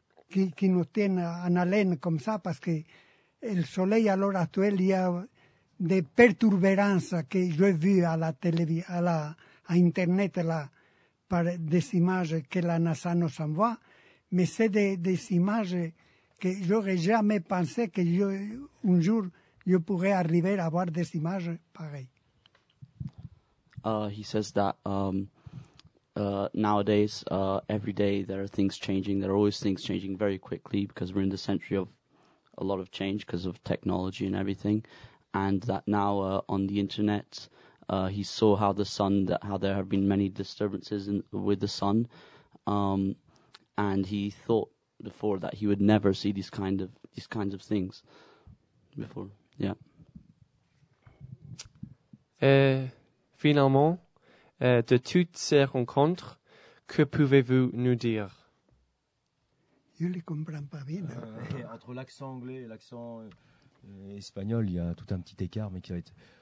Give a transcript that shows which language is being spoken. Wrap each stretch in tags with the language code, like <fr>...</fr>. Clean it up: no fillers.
<fr>tient en haleine comme ça, parce que le soleil, à l'heure actuelle, il y a des perturbances que j'ai vues à la télé, à Internet, là, par des images que la NASA nous envoie, mais c'est des images que j'aurais jamais pensé que je, un jour, je pourrais arriver à voir des images pareilles.</fr> <en>He says that nowadays, every day, there are things changing. There are always things changing very quickly because we're in the century of a lot of change because of technology and everything. And that now on the internet, he saw how the sun, that how there have been many disturbances in, with the sun. And he thought before that he would never see these kinds of things before. Yeah.</en> <fr>Finalement, de toutes ces rencontres, que pouvez-vous nous dire? Je ne les comprends pas bien. Entre l'accent anglais et l'accent espagnol, il y a tout un petit écart, mais qui va être...</fr>